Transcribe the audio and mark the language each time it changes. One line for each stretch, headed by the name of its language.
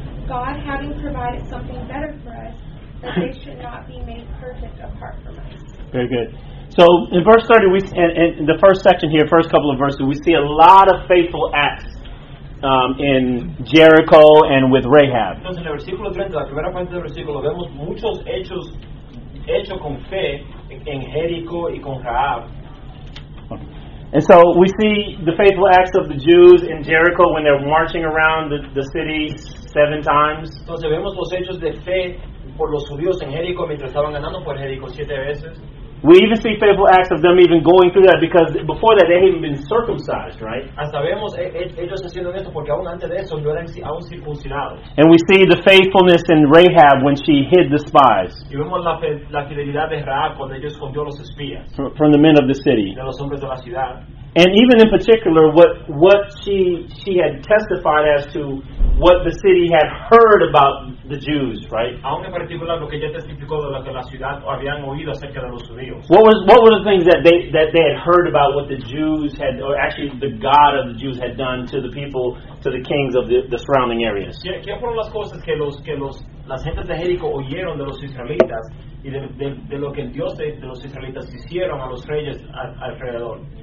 English: God, having provided something better for us, that they should not be made perfect apart from us. Very good. So in verse 30, in the first section here, first couple of verses, we see a lot of faithful acts in Jericho and with Rahab.
Spanish: Entonces, en el versículo 30, la primera parte del versículo, vemos muchos hechos hechos con fe en Jericho y con Rahab.
English: And so we see the faithful acts of the Jews in Jericho when they're marching around the city 7 times.
Spanish: Entonces vemos los hechos de fe por los judíos en Jericho mientras estaban ganando por Jericho 7 veces.
English: We even see faithful acts of them even going through that because before that they hadn't even been circumcised, right?
Spanish: Hasta vemos ellos haciendo esto porque aún antes de eso no eran aún circuncidados.
English: And we see the faithfulness in Rahab when she hid the spies.
Spanish: Y vemos la fidelidad de Rahab cuando ella escondió los espías.
English: From the men of the city.
Spanish: De los hombres de la ciudad.
English: And even in particular, what she had testified as to what the city had heard about the Jews, right?
Spanish: Aún en particular, lo que ella testificó de lo que la ciudad habían oído acerca de los judíos.
English: What were the things that they had heard about what the Jews had, or actually the God of the Jews had done to the people, to the kings of the surrounding areas?
Spanish: ¿Qué fueron las cosas que las gentes de Jericó oyeron de los israelitas y de lo que el Dios de los israelitas hicieron a los reyes alrededor?